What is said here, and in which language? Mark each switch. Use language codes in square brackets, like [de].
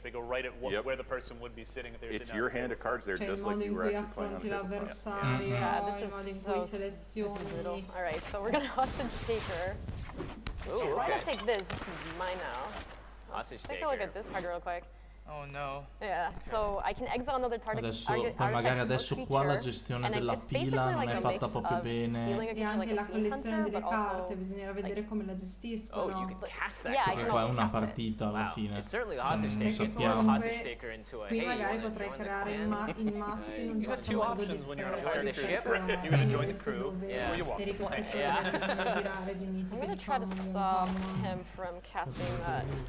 [en] They go right at what, where the person would be sitting. If it's your hand of cards there, just like you were actually playing on the table. Yeah, this is so brutal. All right, so we're going to hostage taker. Ooh, okay. I'm gonna take this. This is mine now. Hostage take a look at this card real quick. Oh no. Yeah, okay. So I can exile another target. [it] Adesso, poi magari adesso qua la gestione della pila non è fatta proprio bene. E anche la collezione delle carte, bisognerà vedere come la gestiscono. [en] Oh, you can cast that. [it] Perché qua è una partita alla fine. [en] It's certainly the hostage taker. It's more of a hostage taker into a [it] qui magari potrei creare il mazzo in un certo modo di sperare. [en] I'm gonna try to stop him from casting that.